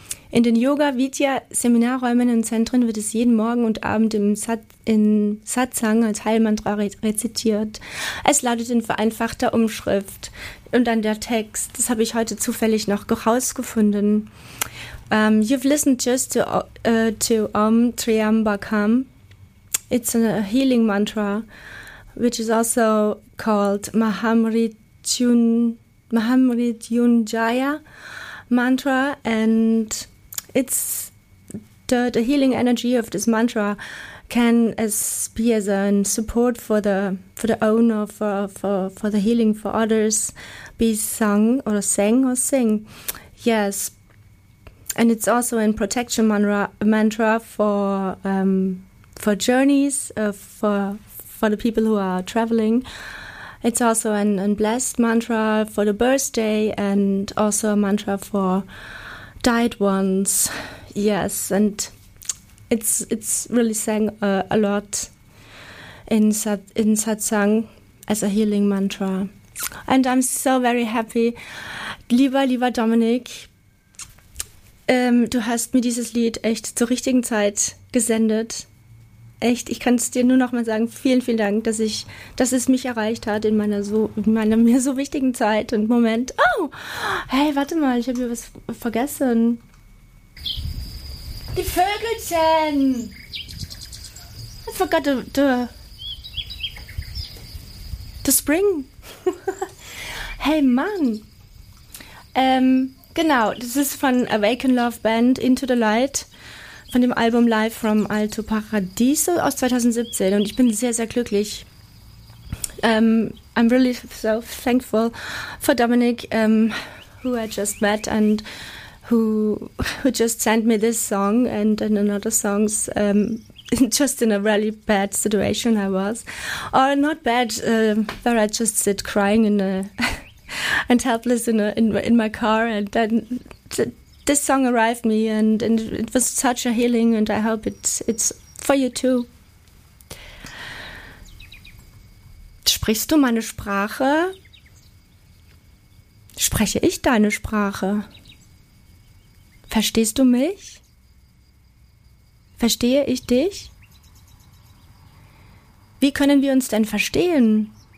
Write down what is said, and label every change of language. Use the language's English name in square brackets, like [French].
[German] In den Yoga-Vidya-Seminarräumen und Zentren wird es jeden Morgen und Abend in Satsang als Heilmantra rezitiert. Es lautet in vereinfachter Umschrift. Und dann der Text, das habe ich heute zufällig noch herausgefunden. [English] You've listened just to Om Triambakam. It's a healing mantra, which is also called Mahamrityunjaya mantra. And it's the healing energy of this mantra can be as a support for the owner, for the healing for others, be sung or sang or sing. Yes. And it's also a protection mantra for journeys, for the people who are traveling. It's also a blessed mantra for the birthday and also a mantra for died ones. Yes, and it's really sang a lot in Satsang as a healing mantra. And I'm so very happy. [German] Lieber Dominik, du hast mir dieses Lied echt zur richtigen Zeit gesendet. Echt, ich kann es dir nur nochmal sagen, vielen, vielen Dank, dass es mich erreicht hat in meiner mir so wichtigen Zeit und Moment. Oh, hey, warte mal, ich habe hier was vergessen. Die Vögelchen! [English] I forgot the spring. Hey Mann! [German] Genau, das ist von Awaken Love Band Into the Light von dem Album Live from Alto Paradiso aus 2017 und ich bin sehr, sehr glücklich. [English] I'm really so thankful for Dominic, who I just met and who just sent me this song and then another songs. Just in a really bad situation I was, or not bad, where I just sit crying and helpless in my car, and then this song arrived me, and it was such a healing, and I hope it's for you too. [German] Sprichst du meine Sprache? Spreche ich deine Sprache? Verstehst du mich? Verstehe ich dich? Wie können wir uns denn verstehen?